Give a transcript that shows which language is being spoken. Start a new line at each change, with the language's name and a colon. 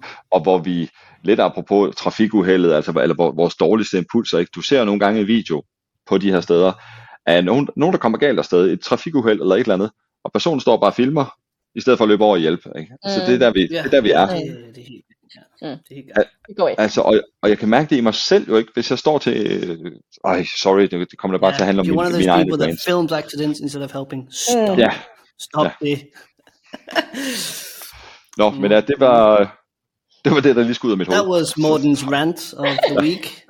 Danish: Og hvor vi, lidt apropos trafikuheldet, altså, eller vores dårligste impulser, ikke? Du ser nogle gange en video på de her steder, er nogen, der kommer galt afsted, et trafikuheld eller et eller andet, og personen står bare og filmer, i stedet for at løbe over og hjælpe. Ikke? Så det er der, vi er. Det er helt galt. Altså, og jeg kan mærke det i mig selv jo ikke, hvis jeg står til...
English: sorry,
Danish: det kommer da bare til at handle om min egen brand.
English: You're one of those people that films accidents instead of helping. Stop. Yeah.
Danish: Stop det. Nå, men ja, det var det, der lige skulle ud af mit hoved.
English: That was Morten's rant of the week.